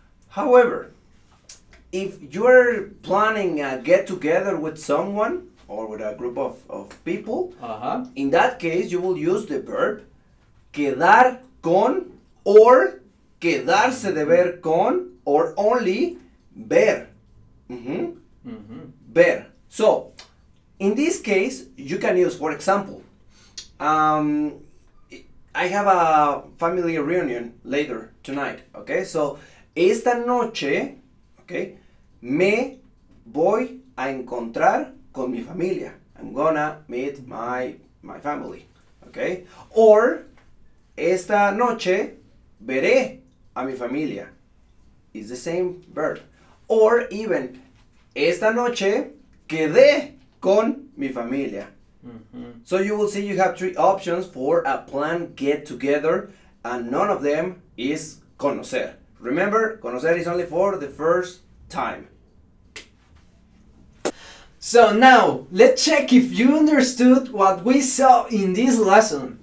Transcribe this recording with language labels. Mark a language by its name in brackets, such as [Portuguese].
[English] However, if you're planning a get-together with someone or with a group of people, in that case, you will use the verb quedar con or quedarse de ver con or only ver. Mm-hmm. Mm-hmm. Ver. So, in this case, you can use, for example, I have a family reunion later tonight, okay? [Spanish] So, esta noche, okay, me voy a encontrar con mi familia. [English] I'm gonna meet my family, okay? [Spanish] Or, esta noche veré a mi familia. [English] It's the same verb. [Spanish] Or even, esta noche quedé con mi familia. Mm-hmm. [English] So you will see you have three options for a planned get together, and none of them is conocer. Remember, conocer is only for the first time. So now, let's check if you understood what we saw in this lesson.